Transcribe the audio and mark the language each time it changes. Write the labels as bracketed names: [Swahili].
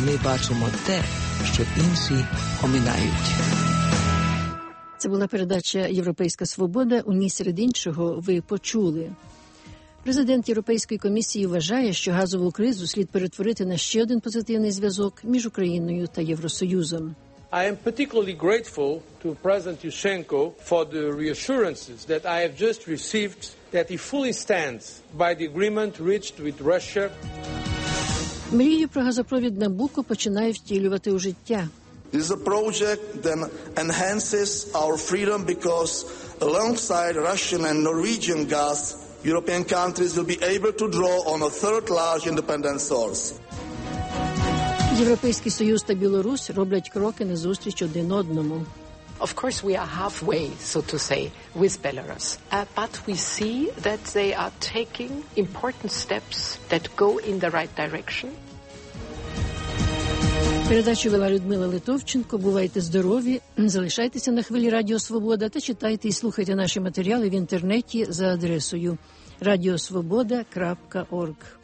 [Ukrainian] Ми бачимо те, що інші оминають. Це була передача «Європейська свобода». У ній серед іншого ви почули. Президент Європейської комісії вважає, що газову кризу слід перетворити на ще один позитивний зв'язок між Україною та Євросоюзом. [English] I am particularly grateful to President Yushchenko for the reassurances that I have just received that he fully stands by the agreement reached with Russia. [Ukrainian] Мрію про газопровід Набуко починає втілювати у життя. [English] This is a project that enhances our freedom because alongside Russian and Norwegian gas, European countries will be able to draw on a third large independent source. [Ukrainian] Європейський Союз та Білорусь роблять кроки назустріч один одному. [English] Of course we are halfway, so to say, with Belarus. But we see that they are taking important steps that go in the right direction. [Ukrainian] Передачу вела Людмила Литовченко. Бувайте здорові, залишайтеся на хвилі Радіо Свобода та читайте і слухайте наші матеріали в інтернеті за адресою radiosvoboda.org.